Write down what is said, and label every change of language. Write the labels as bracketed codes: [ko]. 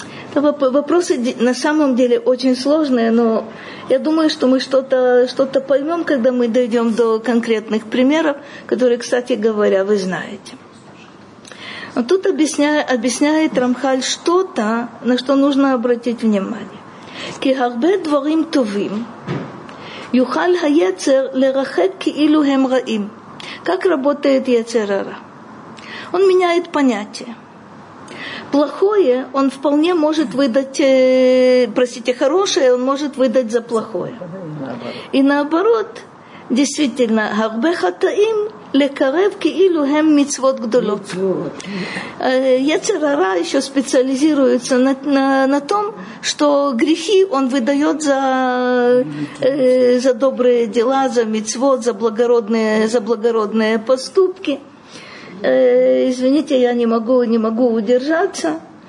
[ru] Это вопросы на самом деле очень сложные, но я думаю, что мы что-то поймем, когда мы дойдем до конкретных примеров, которые, кстати говоря, вы знаете. Но тут объясняет Рамхаль что-то, на что нужно обратить внимание. [he] כי הרבה דברים טובים יוכל היצר לרחק כאילו הם רעים. [ru] Как работает יצר הרע? Он меняет понятие. Плохое он вполне может выдать, простите, хорошее он может выдать за плохое. И наоборот, действительно, [he] הרבה хатаим לקרב כאילו הם מצוות גדולות. [ru] Яцер ара еще специализируется на том, что грехи он выдает за добрые дела, за мицвот, за благородные поступки. Извините, я не могу удержаться.